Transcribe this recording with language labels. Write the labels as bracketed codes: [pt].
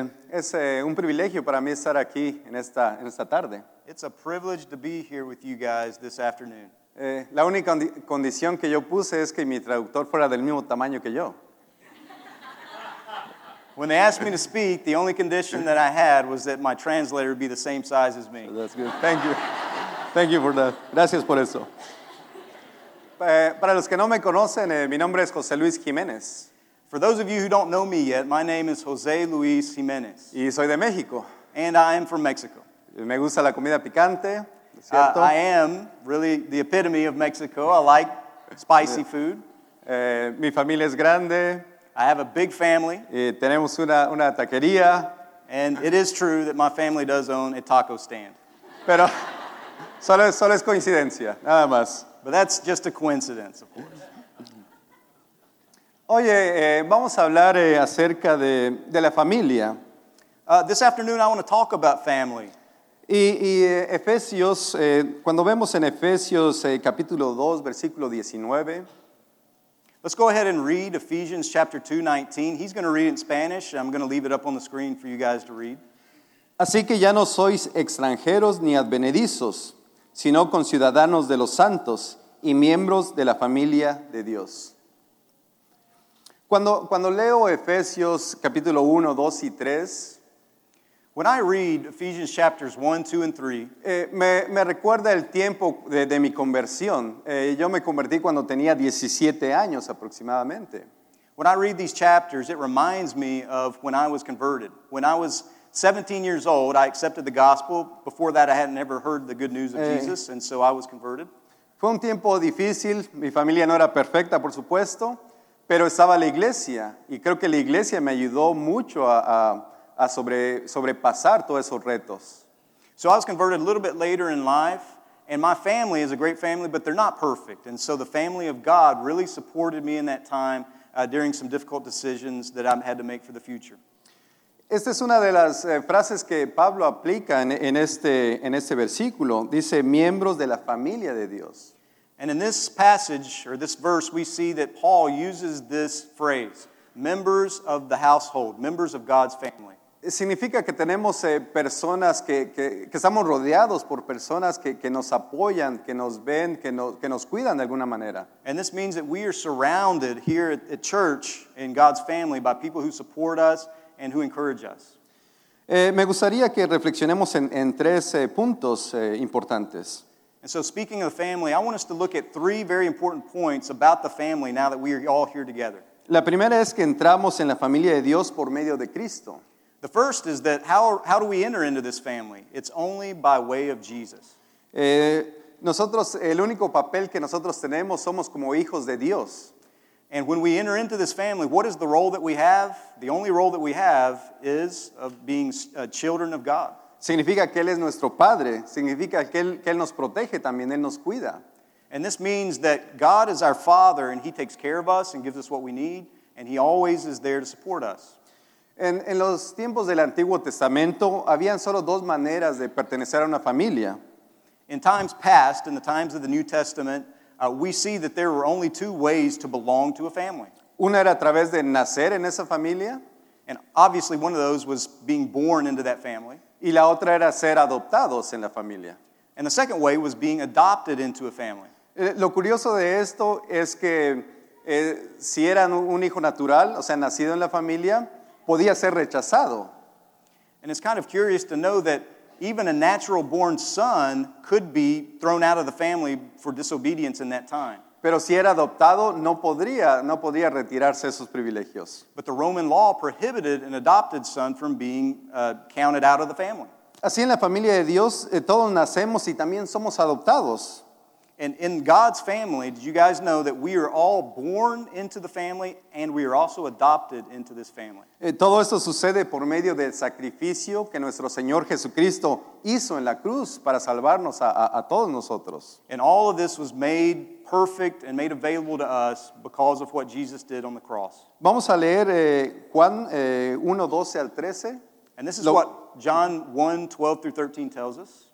[es] Es un privilegio para mí estar aquí en esta tarde. [en] It's a privilege to be here with you guys this afternoon. [es] La única condición que yo puse es que mi traductor fuera del mismo tamaño que yo. [en] When they asked me to speak, the only condition that I had was that my translator be the same size as me. So that's good. Thank you. Thank you for that. [es] Gracias por eso. Para los que no me conocen, mi nombre es José Luis Jiménez. [en] For those of you who don't know me yet, my name is José Luis Jiménez. [es] Y soy de México. [en] And I am from Mexico. [es] Me gusta la comida picante, ¿cierto? [en] I am really the epitome of Mexico. I like spicy food. [es] Mi familia es grande. [en] I have a big family. [es] Y tenemos una taquería. [en] And it is true that my family does own a taco stand. [es] Pero solo es coincidencia, nada más. [en] But that's just a coincidence, of course. [es] Oye, vamos a hablar acerca de la familia. [en] This afternoon I want to talk about family. [es] Y Efesios, cuando vemos en Efesios capítulo 2, versículo 19. [en] Let's go ahead and read Ephesians chapter 2, 19. He's going to read it in Spanish. I'm going to leave it up on the screen for you guys to read. [es] Así que ya no sois extranjeros ni advenedizos, sino conciudadanos de los santos y miembros de la familia de Dios. Cuando leo Efesios capítulo 1, 2 y 3, [en] when I read Ephesians chapters 1, 2 and 3, [es] me recuerda el tiempo de mi conversión. Yo me convertí cuando tenía 17 años aproximadamente. [en] When I read these chapters, it reminds me of when I was converted. When I was 17 years old, I accepted the gospel. Before that, I had never heard the good news of Jesus, and so I was converted. [es] Fue un tiempo difícil. Mi familia no era perfecta, por supuesto. Pero estaba la iglesia, y creo que la iglesia me ayudó mucho a sobrepasar todos esos retos. [en] So I was converted a little bit later in life, and my family is a great family, but they're not perfect. And so the family of God really supported me in that time during some difficult decisions that I had to make for the future. [es] Esta es una de las frases que Pablo aplica en este versículo. Dice, miembros de la familia de Dios. [en] And in this passage, or this verse, we see that Paul uses this phrase, members of the household, members of God's family. [es] Significa que tenemos personas que estamos rodeados por personas que nos apoyan, que nos ven, que nos cuidan de alguna manera. [en] And this means that we are surrounded here at church in God's family by people who support us and who encourage us. [es] Me gustaría que reflexionemos en tres puntos importantes. [en] And so speaking of the family, I want us to look at three very important points about the family now that we are all here together. [es] La primera es que entramos en la familia de Dios por medio de Cristo. [en] The first is that how do we enter into this family? It's only by way of Jesus. [es] Nosotros, el único papel que nosotros tenemos somos como hijos de Dios. [en] And when we enter into this family, what is the role that we have? The only role that we have is of being children of God. [es] Significa que Él es nuestro Padre. Significa que Él nos protege también. Él nos cuida. [en] And this means that God is our Father and He takes care of us and gives us what we need and He always is there to support us. [es] En los tiempos del Antiguo Testamento, habían solo dos maneras de pertenecer a una familia. [en] In times past, in the times of the New Testament, we see that there were only two ways to belong to a family. [es] Una era a través de nacer en esa familia. [en] And obviously one of those was being born into that family. [es] Y la otra era ser adoptados en la familia. [en] And the second way was being adopted into a family. [es] Lo curioso de esto es que si eran un hijo natural, o sea, nacido en la familia, podía ser rechazado. [en] And it's kind of curious to know that even a natural born son could be thrown out of the family for disobedience in that time. [es] Pero si era adoptado, no podía retirarse esos privilegios. [en] But the Roman law prohibited an adopted son from being counted out of the family. [es] Así en la familia de Dios, todos nacemos y también somos adoptados. [en] And in God's family, did you guys know that we are all born into the family and we are also adopted into this family? [es] Todo esto sucede por medio del sacrificio que nuestro Señor Jesucristo hizo en la cruz para salvarnos a todos nosotros. [en] And all of this was made perfect and made available to us because of what Jesus did on the cross. [es] Vamos a leer Juan 1, 12 al 13. [en] And this is what John 1, 12 through 13 tells us.